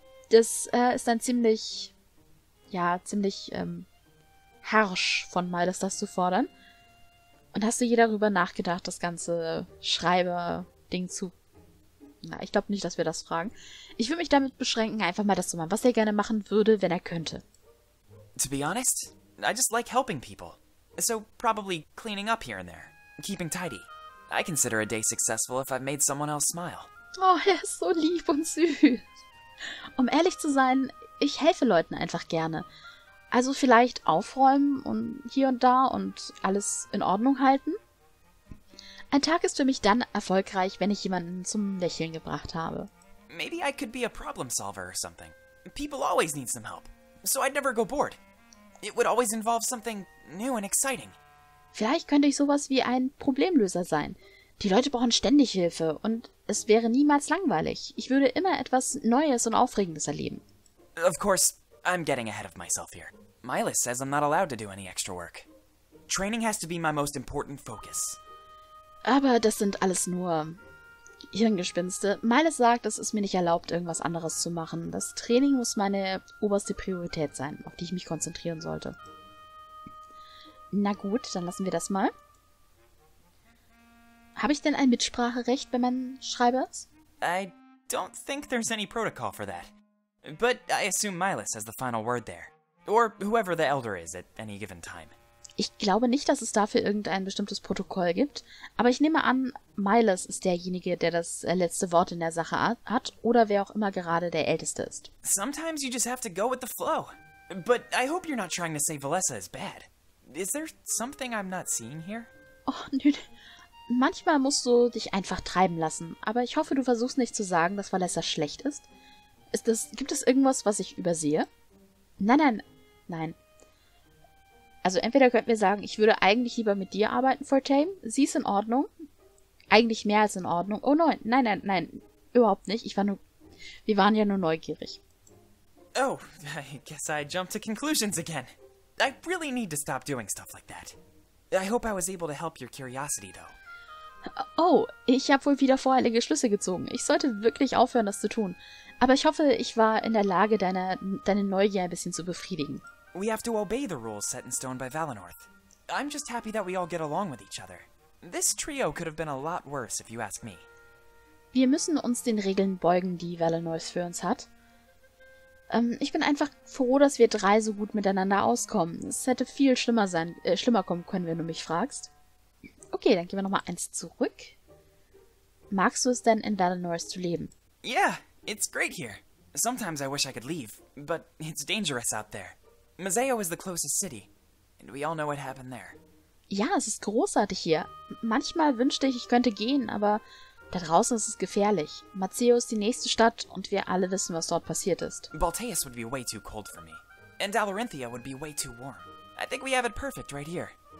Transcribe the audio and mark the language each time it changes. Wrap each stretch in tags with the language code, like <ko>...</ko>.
<de>Das ist dann ziemlich harsch von Mylas, das zu fordern. Und hast du je darüber nachgedacht, das ganze Schreiber-Ding zu... Na, ich glaube nicht, dass wir das fragen. Ich würde mich damit beschränken, einfach mal das zu machen, was er gerne machen würde, wenn er könnte.</de> <en>To be honest, I just like helping people. So probably cleaning up here and there. Keeping tidy. I consider a day successful if I've made someone else smile.</en> <de>Oh, er ist so lieb und süß. Um ehrlich zu sein, ich helfe Leuten einfach gerne. Also vielleicht aufräumen und hier und da und alles in Ordnung halten. Ein Tag ist für mich dann erfolgreich, wenn ich jemanden zum Lächeln gebracht habe.</de> <en>Maybe I could be a problem solver or something. People always need some help. So I'd never go bored. It would always involve something new and exciting.</en> <de>Vielleicht könnte ich sowas wie ein Problemlöser sein. Die Leute brauchen ständig Hilfe und es wäre niemals langweilig. Ich würde immer etwas Neues und Aufregendes erleben.</de> <en>Of course, I'm getting ahead of myself here. Mylas says I'm not allowed to do any extra work. Training has to be my most important focus.</en> <de>Aber das sind alles nur Hirngespinste. Mylas sagt, es ist mir nicht erlaubt, irgendwas anderes zu machen. Das Training muss meine oberste Priorität sein, auf die ich mich konzentrieren sollte. Na gut, dann lassen wir das mal. Habe ich denn ein Mitspracherecht, wenn man Schreiber ist?</de> <en>I don't think there's any protocol for that. But I assume Mylas has the final word there. Or whoever the elder is at any given time.</en> <de>Ich glaube nicht, dass es dafür irgendein bestimmtes Protokoll gibt, aber ich nehme an, Mylas ist derjenige, der das letzte Wort in der Sache hat oder wer auch immer gerade der Älteste ist.</de> <en>Sometimes you just have to go with the flow. But I hope you're not trying to say Valessa is bad. Is there something I'm not seeing here?</en> <de>Oh, nö. Manchmal musst du dich einfach treiben lassen, aber ich hoffe, du versuchst nicht zu sagen, dass Valessa schlecht ist. Gibt es irgendwas, was ich übersehe? Nein. Also entweder könnten wir sagen, ich würde eigentlich lieber mit dir arbeiten, Fortame. Sie ist in Ordnung. Eigentlich mehr als in Ordnung. Oh nein, nein, überhaupt nicht. Wir waren ja nur neugierig.</de> <en>Oh, I guess I jumped to conclusions again. I really need to stop doing stuff like that. I hope I was able to help your curiosity, though.</en> <de>Oh, ich habe wohl wieder voreilige Schlüsse gezogen. Ich sollte wirklich aufhören, das zu tun. Aber ich hoffe, ich war in der Lage, deine Neugier ein bisschen zu befriedigen.</de> <en>We have to obey the rules set in stone by Valinorth. I'm just happy that we all get along with each other. This trio could have been a lot worse, if you ask me.</en> <de>Wir müssen uns den Regeln beugen, die Valinorth für uns hat. Ich bin einfach froh, dass wir drei so gut miteinander auskommen. Es hätte viel schlimmer kommen können, wenn du mich fragst. Okay, dann gehen wir nochmal eins zurück. Magst du es denn, in Valinor zu leben?</de> <en>Yeah, it's great here. Sometimes I wish I could leave, but it's dangerous out there. Mazeo is the closest city, and we all know what happened there.</en> <de>Ja, es ist großartig hier. Manchmal wünschte ich, ich könnte gehen, aber da draußen ist es gefährlich. Mazeo ist die nächste Stadt und wir alle wissen, was dort passiert ist.</de> <en>Balteus would be way too cold for me, and Dalarinthia would be way too warm. I think we have it perfect right here.</en>